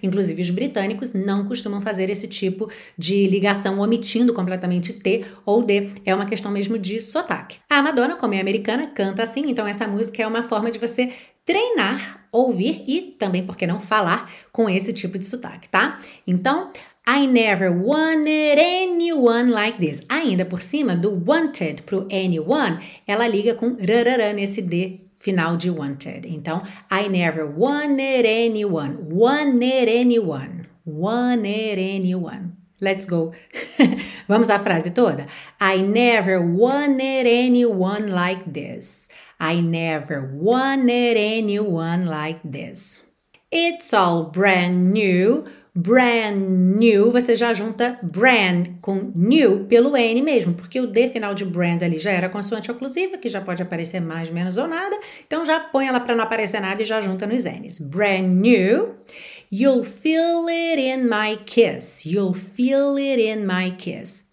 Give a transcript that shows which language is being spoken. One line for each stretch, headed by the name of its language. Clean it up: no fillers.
Portuguese: Inclusive, os britânicos não costumam fazer esse tipo de ligação, omitindo completamente T ou D. É uma questão mesmo de sotaque. A Madonna, como é americana, canta assim, então essa música é uma forma de você treinar, ouvir e também, por que não, falar com esse tipo de sotaque, tá? Então,
English: I never wanted anyone like this.
Portuguese: Ainda por cima do wanted pro anyone, ela liga com rarara nesse D final de wanted.
English: Então, I never wanted anyone. Wanted anyone. Wanted anyone. Let's go.
Portuguese: Vamos à frase toda.
English: I never wanted anyone like this. I never wanted anyone like this. It's all brand new. Brand new,
Portuguese: você já junta brand com new pelo N mesmo, porque o D final de brand ali já era consoante oclusiva, que já pode aparecer mais, menos ou nada. Então, já põe ela para não aparecer nada e já junta nos N's.
English: Brand new. You'll feel it in my kiss. You'll feel it in my kiss.